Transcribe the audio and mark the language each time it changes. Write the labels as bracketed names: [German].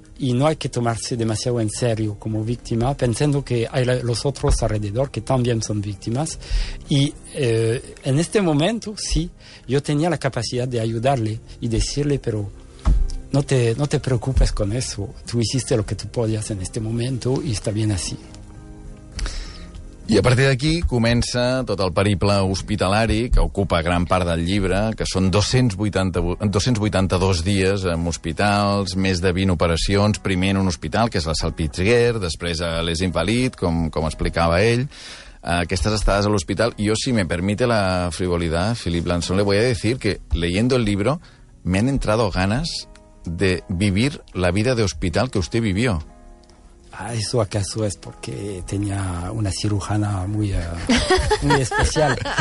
[Spanish] Y no hay que tomarse demasiado en serio como víctima, pensando que hay los otros alrededor que también son víctimas. Y en este momento, sí, yo tenía la capacidad de ayudarle y decirle, pero no te preocupes con eso, tú hiciste lo que tú podías en este momento y está bien así. [Catalan] I a partir d'aquí comença tot el periple hospitalari que ocupa gran part del llibre, que són 282 dies en hospitals, més de 20 operacions, primer en un hospital, que és la Salpitzer, després a Les Invalides, com explicava ell, aquestes estades a l'hospital. [Spanish] Jo, si me permite la frivolidad, Philippe Lanson, le voy a decir que leyendo el libro me han entrado ganas de vivir la vida de hospital que usted vivió. ¿Eso acaso es porque tenía una cirujana muy, muy especial?